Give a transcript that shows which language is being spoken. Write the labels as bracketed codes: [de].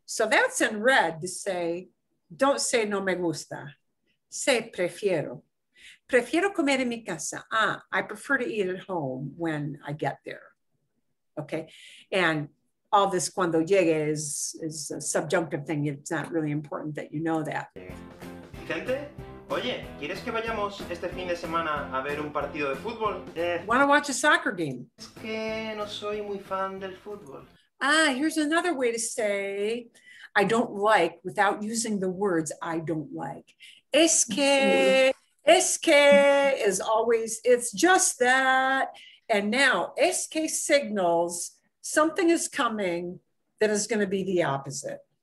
[en] So that's in red to say, don't say [es] no me gusta. Say prefiero. Prefiero comer en mi casa. [en] I prefer to eat at home when I get there. Okay. And all this [es] cuando llegue [en] is a subjunctive thing. It's not really important that you know that. [es] Gente? Oye, ¿quieres que vayamos este fin de semana a ver un partido de fútbol? [en] Want to watch a soccer game? [es] Es que no soy muy fan del fútbol. [en] Here's another way to say I don't like without using the words I don't like. [es] Es que, Es que [en] is always, it's just that. And now, [es] es que [en] signals something is coming that is going to be the opposite.